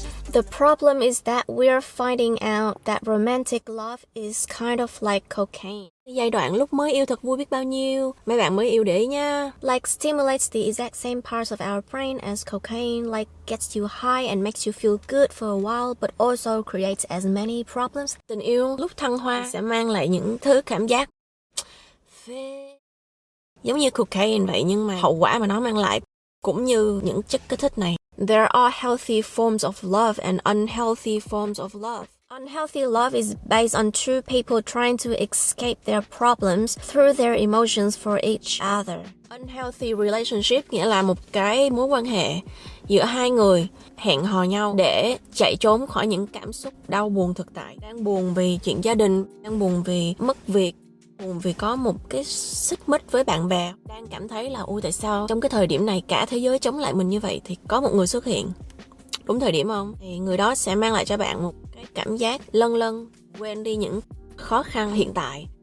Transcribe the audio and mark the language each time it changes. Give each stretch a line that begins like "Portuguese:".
English: The problem is that we're finding out that romantic love is kind of like cocaine.
Vietnamese: Giai đoạn lúc mới yêu thật vui biết bao nhiêu, mấy bạn mới yêu để ý nha.
English: Like stimulates the exact same parts of our brain as cocaine, like gets you high and makes you feel good for a while, but also creates as many problems.
Vietnamese: Tình yêu lúc thăng hoa sẽ mang lại những thứ cảm giác phê, giống như cocaine vậy, nhưng mà hậu quả mà nó mang lại cũng như những chất kích thích này.
English: There are healthy forms of love and unhealthy forms of love. Unhealthy love is based on two people trying to escape their problems through their emotions for each other.
Vietnamese: Unhealthy relationship nghĩa là một cái mối quan hệ giữa hai người hẹn hò nhau để chạy trốn khỏi những cảm xúc đau buồn thực tại. Đang buồn vì chuyện gia đình, đang buồn vì mất việc, buồn vì có một cái xích mích với bạn bè, đang cảm thấy là ui tại sao trong cái thời điểm này cả thế giới chống lại mình như vậy, thì có một người xuất hiện đúng thời điểm không, thì người đó sẽ mang lại cho bạn một cái cảm giác lâng lâng, quên đi những khó khăn hiện tại.